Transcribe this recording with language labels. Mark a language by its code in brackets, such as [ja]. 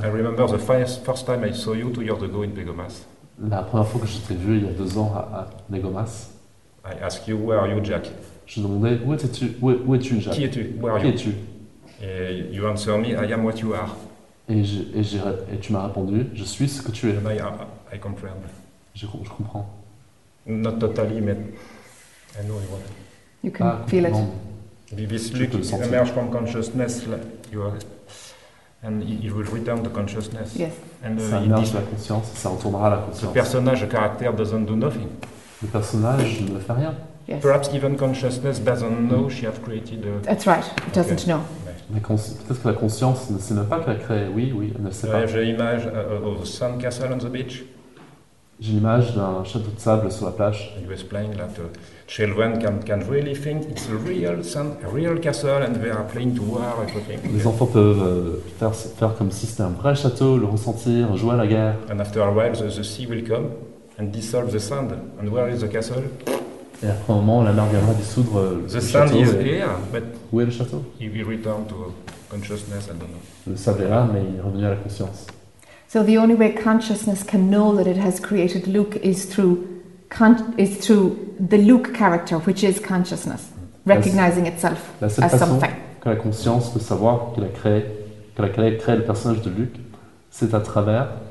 [en] I remember the first time I saw you 2 years ago in Begomas. [fr] La première fois que je t'ai vu il y a 2 ans à Begomas. [en] I ask you, where are you, Jack? [fr] Je demandais, où es-tu? Où es-tu, Jack? Qui es-tu? [en] Where [fr] qui [en] are you? [fr] Es-tu? [en] And you answer me, I am what you are. [fr] Et tu m'as répondu, je suis ce que tu es. [en] And I comprehend. [fr] Je comprends. [en] Not totally, but I know it well. You can feel it. This look emerges from consciousness, like you are, and it will return to consciousness. Yes. [fr] And ça émerge de la conscience, ça retournera à la conscience. [en] The personnage, the character doesn't do nothing. [fr] Le personnage ne fait rien. [en] Yes. Perhaps even consciousness doesn't know she has created. That's right. It doesn't know. [fr] Peut-être que la conscience ne sait même pas qu'elle a créé. Oui, oui, elle ne sait pas. J'ai l'image [en] of a sand castle on the beach. [fr] J'ai l'image d'un château de sable sur la plage. [en] You explain that children can really think it's a real castle and they are playing to war and everything. [fr] Les enfants peuvent faire comme si c'était un vrai château, le ressentir, jouer à la guerre. [en] And after a while, the sea will come and dissolve the sand. And where is the castle? [fr] Et après un moment, la mer viendra dissoudre le [en] sand [fr] château. [en] The sand is here, but [fr] où est le château? [en] He will return to consciousness. I don't know. [fr] Le sable est là, mais il est revenu à la conscience. [en] So the only way consciousness can know that it has created Luke is through the Luke character, which is consciousness, recognizing itself as something. [fr] La seule façon que la conscience peut savoir qu'elle a créé le personnage de Luke, c'est à travers.